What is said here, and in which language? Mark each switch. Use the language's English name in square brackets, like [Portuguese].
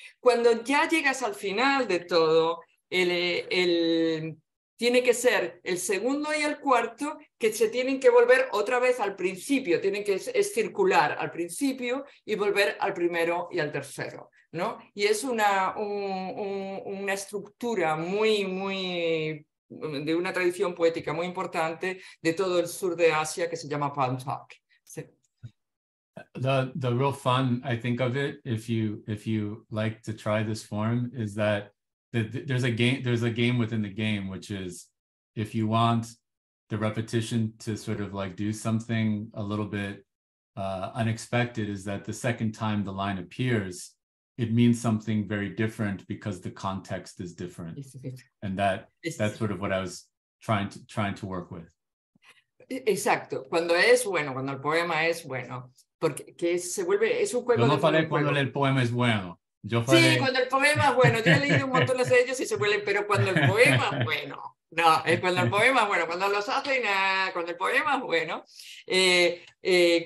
[Spanish] Cuando ya llegas al final de todo, tiene que ser el segundo y el cuarto que se tienen que volver otra vez al principio, tienen que es circular al principio y volver al primero y al tercero, ¿no? Y es una estructura muy, muy, de una tradición poética muy importante de todo el sur de Asia que se llama Palm Talk. Sí. [English] The real fun, I think, of it, if you like to try this form, is that there's a game within the game, which is if you want the repetition to sort of like do something a little bit unexpected, is that the second time the line appears, it means something very different because the context is different. And that's sort of what I was trying to work with. [Spanish] Exacto. Cuando es bueno, cuando el poema es bueno, porque que se vuelve, es un juego. Yo no falé cuando el poema es bueno. Sí, cuando el poema es bueno. Yo he leído un montón de ellos y se vuelven, pero cuando el poema es bueno. No, es cuando el poema es bueno, cuando los hacen, cuando el poema es bueno.